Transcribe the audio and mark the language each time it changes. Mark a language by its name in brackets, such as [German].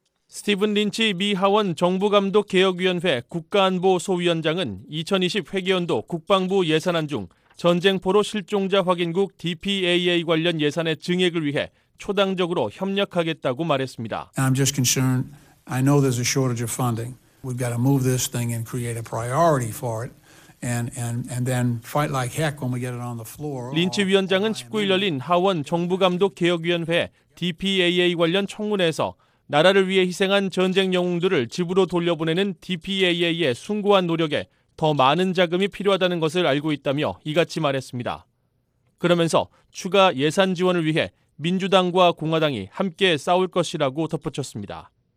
[Korean] 스티븐 린치 미 하원 정부감독개혁위원회 국가안보소위원장은 2020 회계연도 국방부 예산안 중 전쟁포로 실종자 확인국 DPAA 관련 예산의 증액을 위해 초당적으로 협력하겠다고 말했습니다. [English] I'm just concerned. I know there's a shortage of funding. We've got to move this thing and create a priority for it and then fight like heck when we get it on the floor. [Korean] 린치 위원장은 19일 열린 하원 정부감독개혁위원회 DPAA 관련 청문회에서 나라를 위해 희생한 전쟁 영웅들을 집으로 돌려보내는 DPAA의 숭고한 노력에 더 많은 자금이 필요하다는 것을 알고 있다며 이같이 말했습니다. 그러면서 추가 예산 지원을 위해 민주당과 공화당이 함께 싸울 것이라고 덧붙였습니다.